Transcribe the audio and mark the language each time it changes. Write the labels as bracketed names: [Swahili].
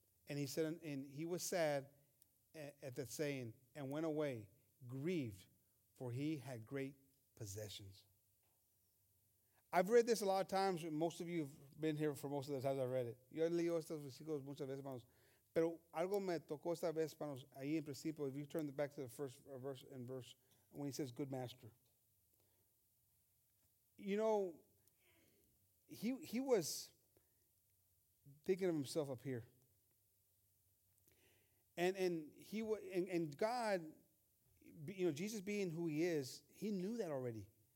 [English] And he said, and he was sad at that saying, and went away, grieved, for he had great possessions. I've read this a lot of times. Most of you have been here for most of the times I've read it. [Spanish] Yo he leído estos versículos muchas veces, hermanos. Pero algo me tocó esta vez, hermanos, ahí en principio. [English] If you turn back to the first verse, in verse, when he says, good master. You know, he was thinking of himself up here. And God, you know, Jesus being who he is, he knew that already.